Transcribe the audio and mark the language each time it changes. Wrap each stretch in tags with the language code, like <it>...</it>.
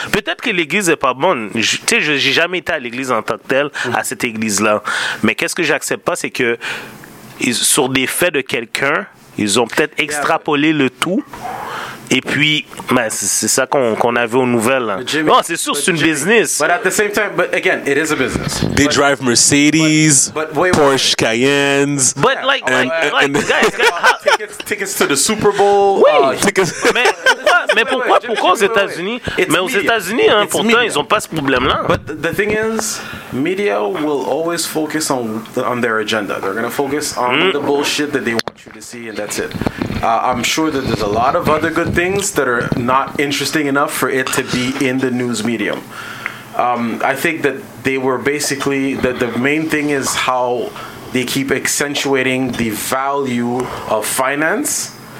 <fr>Peut-être que l'église n'est pas bonne. Tu sais, j'ai jamais été à l'église en tant que telle, à cette église-là. Mais qu'est-ce que j'accepte pas, c'est que sur des faits de quelqu'un, ils ont peut-être extrapolé le tout Et puis, bah, c'est ça qu'on avait aux nouvelles. Jimmy, non, c'est sûr, c'est une business.</fr> <en>But at the same time, but again, it is a business. They but, drive Mercedes, but wait, Porsche Cayennes. But like, and, guys, tickets to the Super Bowl. Wait, tickets.</en> <fr>Mais pourquoi, aux États-Unis? Mais aux États-Unis, hein, pourtant, media. Ils n'ont pas ce problème-là.</fr> <en>But the thing is, media will always focus on their agenda. They're going to focus on the bullshit that they want you to see, and that's it. I'm sure that there's a lot of other good things that are not interesting enough for it to be in the news medium. I think that they were basically, that the main thing is how they keep accentuating the value of finance.</en>